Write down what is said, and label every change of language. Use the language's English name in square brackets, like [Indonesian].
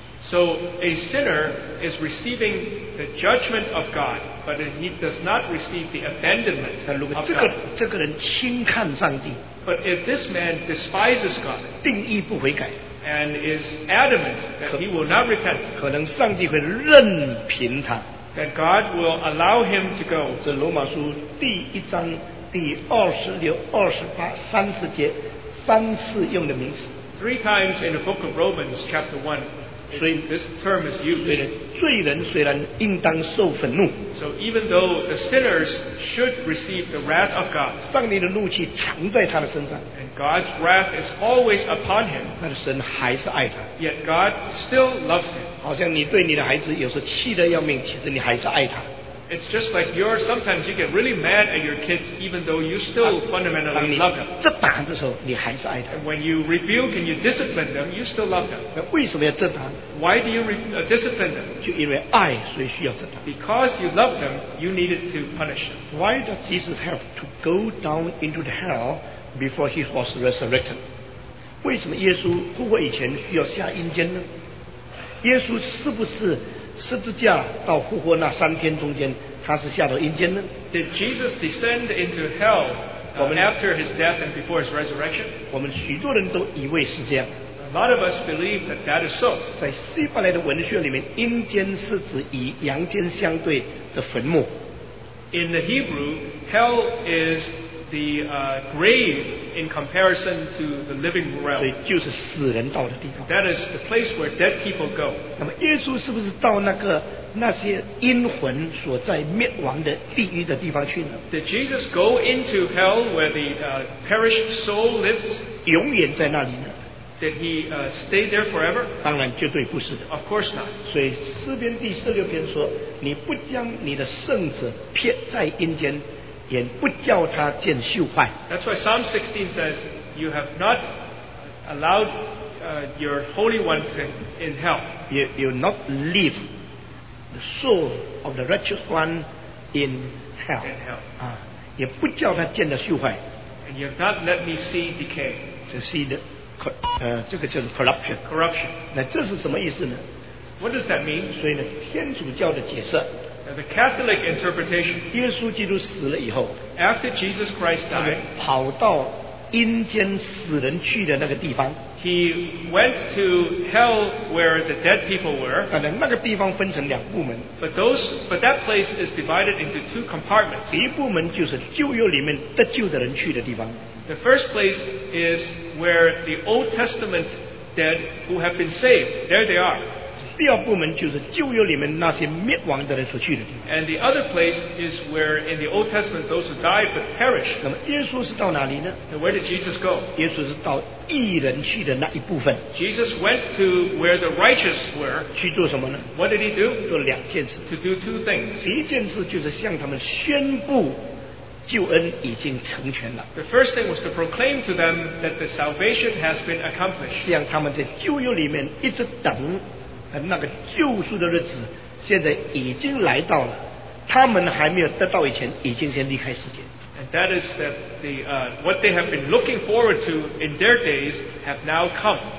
[English] So a sinner is receiving the judgment of God, but he does not receive the abandonment of God. But if this man despises God, [Chinese] 定义不悔改, [English] and is adamant that he will not repent, [Chinese] 可能上帝会任凭他, [English] then God will allow him to go. [Chinese] 这罗马书第一章第二十六、二十八、三十节。 [English] Three times in the book of Romans, chapter 1, this term is used. [Chinese] 罪人虽然应当受愤怒, [English] so even though the sinners should receive the wrath of God, [Chinese] 上帝的怒气常在他的身上, [English] and God's wrath is always upon him, [Chinese] 但是神还是爱他, [English] yet God still loves him. [Chinese] 好像你对你的孩子有时气得要命, 其实你还是爱他。 [English] It's just like sometimes you get really mad at your kids even though you still fundamentally love them. [Chinese] 这打的时候你还是爱他。 [English] And when you rebuke and you discipline them, you still love them. [Chinese] 那为什么要这打? [English] Why do you discipline them? [Chinese] 就因为爱所以需要这打。 [English] Because you love them, you needed to punish them. Why does Jesus have to go down into the hell before he was resurrected? [Chinese] 为什么耶稣复活以前需要下阴间呢?耶稣是不是 十字架到复活那三天中间, 他是下到阴间呢? [English] Did Jesus descend into hell after his death and before his resurrection? [Chinese] 我们许多人都以为是这样。 [English] A lot of us believe that that is so. [Chinese] 在希伯来的文学里面, 阴间是指与阳间相对的坟墓。 [English] In the Hebrew, hell is the grave in comparison to the living realm. That is the place where dead people go. [Chinese] 那么耶稣是不是到那个那些阴魂所在灭亡的地狱的地方去呢? [English] Did Jesus go into hell where the perished soul lives? [Chinese] 永远在那里呢? [English] Did he stay there forever? [Chinese] 当然绝对不是的。 [English] Of course not. [Chinese] 所以诗篇第十六篇说, 你不将你的圣子撇在阴间, 也不叫他见秀坏。 [English] That's why Psalm 16 says, you have not allowed your Holy One in hell. You not leave the soul of the righteous one in hell. In hell. [Chinese] 也不叫他见了秀坏。 [English] And you have not let me see decay. To see the [Chinese] 这个叫做 [English] corruption. Corruption. [Chinese] 那这是什么意思呢? [English] What does that mean? [Chinese] 所以呢, 天主教的解释, [English] The Catholic interpretation, [Chinese] 耶稣基督死了以后, [English] after Jesus Christ died, [Chinese] 跑到阴间死人去的那个地方, [English] he went to hell where the dead people were. [Chinese] 可能那个地方分成两部门, [English] but that place is divided into two compartments. [Chinese] 一部门就是旧约里面得救的人去的地方, [English] the first place is where the Old Testament dead who have been saved, there they are. [Chinese] 第二部门就是旧约里面那些灭亡的人所去的地方。 [English] And the other place is where in the Old Testament those who died but perished. [Chinese] 那么耶稣是到哪里呢? [English] And where did Jesus go? [Chinese] 耶稣是到义人去的那一部分。 [English] Jesus went to where the righteous were. [Chinese] 去做什么呢? [English] What did he do? [Chinese] 做两件事。 [English] To do two things. [Chinese] 第一件事就是向他们宣布 救恩已经成全了。 [English] The first thing was to proclaim to them that the salvation has been accomplished. [Chinese] 这样他们在旧约里面一直等 那个救赎的日子现在已经来到了，他们还没有得到以前，已经先离开世界。 [English] And that is that the what they have been looking forward to in their days have now come.